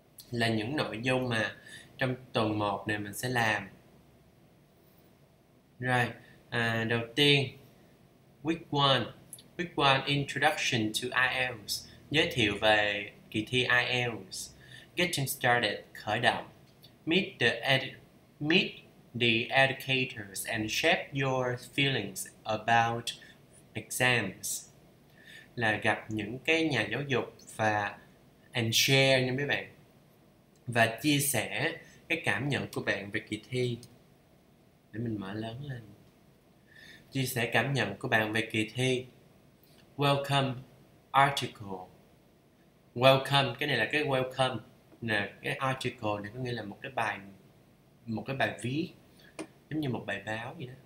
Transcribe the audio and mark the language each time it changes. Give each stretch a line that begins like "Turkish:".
Vietnamese: Là những nội dung mà trong tuần 1 này mình sẽ làm. Rồi, đầu tiên, week 1,
English: introduction to IELTS,
Vietnamese: giới thiệu về kỳ thi IELTS.
English: Getting started,
Vietnamese: khởi động.
English: Meet the educators and shape your feelings about exams.
Vietnamese: Là gặp những cái nhà giáo dục và
English: and share
Vietnamese: nha mấy bạn và chia sẻ cái cảm nhận của bạn về kỳ thi, để mình mở lớn lên, chia sẻ cảm nhận của bạn về kỳ thi.
English: Welcome article.
Vietnamese: Welcome, cái này là cái welcome nè, cái article này có nghĩa là một cái bài viết giống như một bài báo vậy đó.